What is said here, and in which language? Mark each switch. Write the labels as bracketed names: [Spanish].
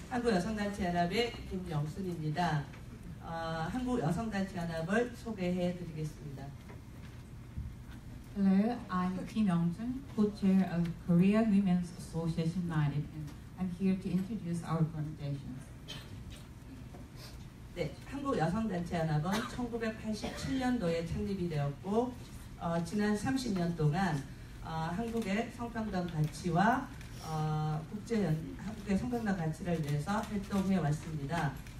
[Korean] 한국 여성단체 연합의 김영순입니다. 한국 여성단체 연합을 소개해 드리겠습니다. [English] Hello, I'm Kim Young-sun, co-chair of Korea Women's Association United, and I'm here to introduce our organization. [Korean] 네, 한국 여성단체 연합은 1987년도에 창립이 되었고 지난 30년 동안 한국의 성평등 가치와 한국의 성평등 가치를 위해서 활동해 왔습니다.